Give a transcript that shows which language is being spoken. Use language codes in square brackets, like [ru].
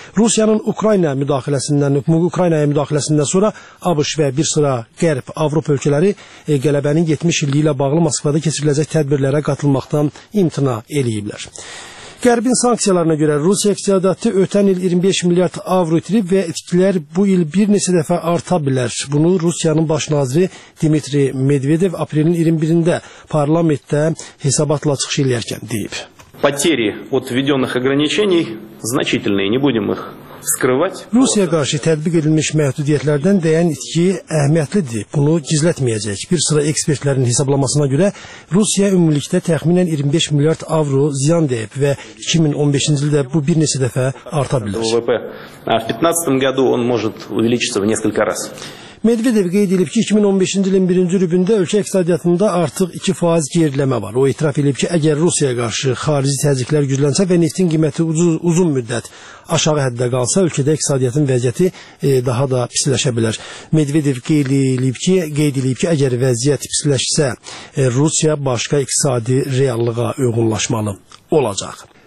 [az] Rusiyanın Ukraynaya müdaxiləsindən sonra ABŞ və bir sıra qərb Avropa ölkələri qələbənin 70 illiyi ilə bağlı Moskvada keçiriləcək tədbirlərə qatılmaqdan imtina eləyiblər. Qərbin sanksiyalarına görə Rusiya iqtisadiyyatı ötən il 25 milyard avro itirib və itkilər bu il bir neçə dəfə arta bilər. Bunu Rusiyanın baş naziri Dmitri Medvedev aprelin 21-də parlamentdə hesabatla çıxış edərkən deyib. [ru] Потери от введённых ограничений значительные, не будем их скрывать. [az] Rusiyaya qarşı tətbiq edilmiş məhdudiyyətlərdən dəyən itki əhəmiyyətlidir. Bunu gizlətməyəcək. Bir sıra ekspertlərin hesablamasına görə Rusiya ümumilikdə təxminən 25 milyard avro ziyan dəyib və 2015-ci ildə bu bir neçə dəfə arta bilər. [ru] В 2015 году он может увеличиться в несколько раз. [az] Medvedev qeyd edib ki, 2015-ci ilin birinci rübündə ölkə iqtisadiyyatında artıq 2% gerilmə var. O etiraf edib ki, əgər Rusiyaya qarşı xarici təzyiqlər güclənsə və neftin qiyməti uzun müddət aşağı həddə qalsa, ölkədə iqtisadiyyatın vəziyyəti daha da pisləşə bilər. Medvedev qeyd edib ki, əgər vəziyyət pisləşsə, Rusiya başqa iqtisadi reallığa uyğunlaşmalı olacaq.